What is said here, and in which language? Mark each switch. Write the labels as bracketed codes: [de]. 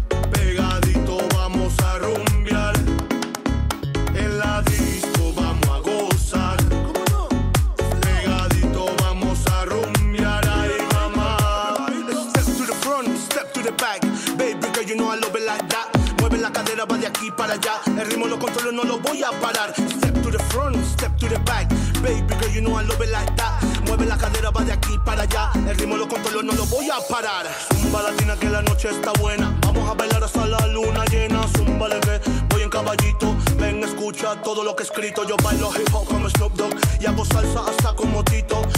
[es] Pegadito, vamos a rumbear. En la disco vamos a gozar. Pegadito, vamos a rumbear. Ay, mamá. [en] Step to the front, step to the back. Baby girl, you know I love it like that. [es] Mueve la cadera, va de aquí para allá. El ritmo lo controlo, no lo voy a parar. [en] Step to the front, step to the back. Baby girl, you know I love it like that. [es] Mueve la cadera, va de aquí para allá. El ritmo lo controlo, no lo voy a parar. Zumba latina, que la noche está buena. Vamos a bailar hasta la luna llena. Zumba le ve, voy en caballito. Ven, escucha todo lo que he escrito. Yo bailo hip hop como Snoop Dogg y hago salsa hasta como Tito.